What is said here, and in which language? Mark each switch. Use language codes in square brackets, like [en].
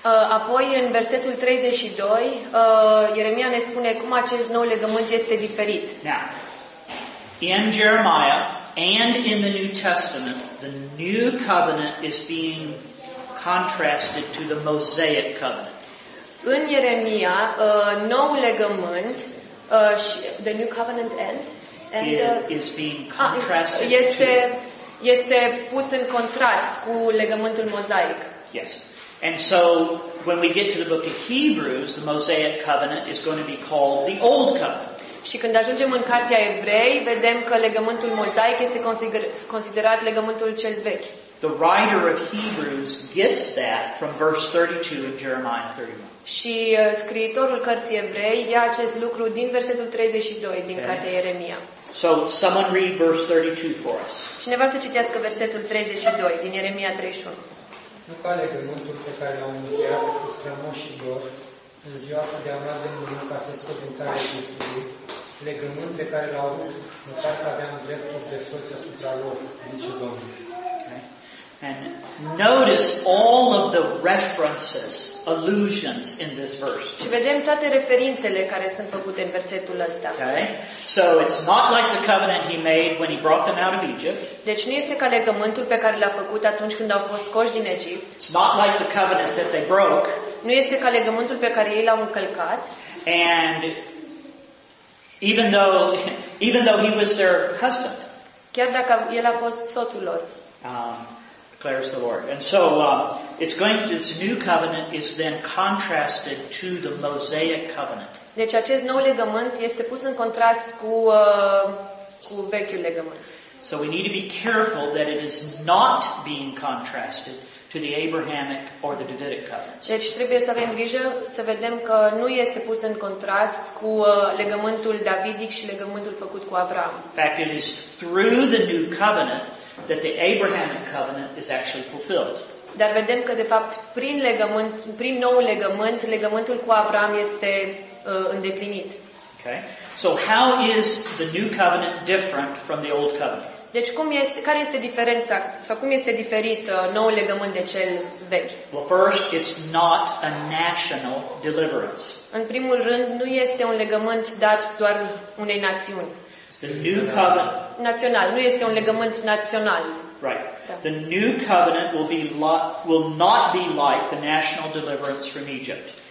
[ro] Apoi în versetul 32, Ieremia ne spune cum acest nou legământ este diferit. [en] Now, in Jeremiah and in the New Testament, the new covenant is being contrasted to the Mosaic covenant. [ro] În Ieremia, noul legământ, [en] the new covenant end, and, is being contrasted [ro] este pus în contrast cu legământul mozaic. [en] Yes. And so, when we get to the book of Hebrews, the Mosaic covenant is going to be called the Old Covenant. [ro] Și când ajungem în Cartea Evrei, vedem că legământul mozaic este considerat legământul cel vechi. [en] The writer of Hebrews gets that from verse 32 in Jeremiah 31. [ro] Și scriitorul cărții evrei ia acest lucru din versetul 32 din cartea Ieremia. [en] So someone read verse 32 for us. [ro] Cineva să citească versetul 32 din Ieremia 31. Nu ca legământul pe care l-au încheiat cu strămoșii lor în ziua când i-au dat de mână ca să scot din țara Egiptului, legământ pe care l-au încheiat că aveam dreptul de soț asupra lor, zice Domnul. [en] And notice all of the references, allusions in this verse. [ro] Și vedem toate referințele care sunt făcute în versetul ăsta. [en] Okay? So it's not like the covenant he made when he brought them out of Egypt. [ro] Deci nu este ca legământul pe care l-a făcut atunci când au fost scoși din Egipt. [en] It's not like the covenant that they broke. [ro] Nu este ca legământul pe care ei l-au încălcat. [en] And even though he was their husband. [ro] Chiar dacă el a fost soțul lor. [en] Declares the Lord. And so this new covenant is then contrasted to the Mosaic covenant. [ro] Deci acest nou legământ este pus în contrast cu cu vechiul legământ. [en] So we need to be careful that it is not being contrasted to the Abrahamic or the Davidic covenants. [ro] Deci trebuie să avem grijă să vedem că nu este pus în contrast cu legământul davidic și legământul făcut cu Avram. [en] In fact, it is through the new covenant that the Abrahamic covenant is actually fulfilled. [ro] Dar vedem că de fapt prin legământ, prin noul legământ, legământul cu Avram este îndeplinit. [en] Okay. So how is the new covenant different from the old covenant? [ro] Deci cum este, care este diferența sau cum este diferit noul legământ de cel vechi? [en] Well, first, it's not a national deliverance. [ro] În primul rând, nu este un legământ dat doar unei națiuni. [en] The new covenant [ro] național, nu este un legământ național. [en] Right. Da. The new covenant will not be like the national deliverance from Egypt.